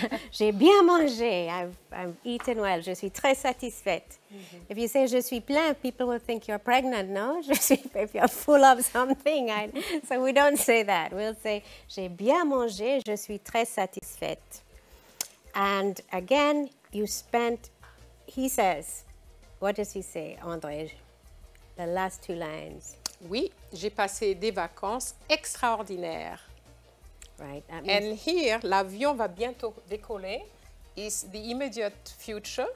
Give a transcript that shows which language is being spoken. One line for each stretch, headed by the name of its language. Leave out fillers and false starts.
French: J'ai bien mangé,
English: I've eaten well,
French: je suis très satisfaite. Mm-hmm.
English: If you say,
French: je suis plein,
English: people will think you're pregnant, no? Je suis, if you're full of something. So we don't say that. We'll say,
French: j'ai bien mangé, je suis très satisfaite.
English: And again, you spent, he says, what does he say, André? The last two lines.
French: Oui, j'ai passé des vacances extraordinaires.
English: Right, that means... And here,
French: l'avion va bientôt décoller,
English: is the immediate future.